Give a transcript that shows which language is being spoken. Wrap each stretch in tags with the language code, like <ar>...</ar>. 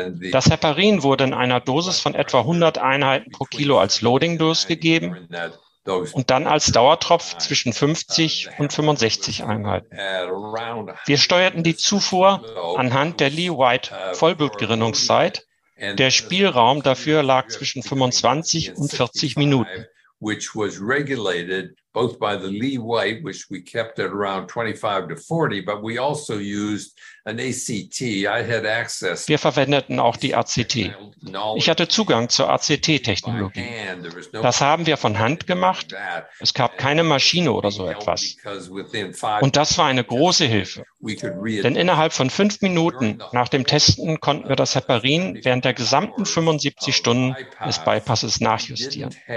<de>Das Heparin wurde in einer Dosis von etwa 100 Einheiten pro Kilo als Loading-Dose gegeben und dann als Dauertropf zwischen 50 und 65 Einheiten. Wir steuerten die Zufuhr anhand der Lee-White-Vollblutgerinnungszeit. Der Spielraum dafür lag zwischen 25 und 40 Minuten.</de> <en>Which was regulated both by the Lee White, which we kept at around 25 to 40, but we also used an ACT. I had access.</en> <de>Wir verwendeten auch die ACT. Ich hatte Zugang zur ACT-Technologie. Das haben wir von Hand gemacht. Es gab keine Maschine oder so etwas. Und das war eine große Hilfe. Denn innerhalb von 5 Minuten nach dem Testen konnten wir das Heparin während der gesamten 75 Stunden des Bypasses nachjustieren.</de>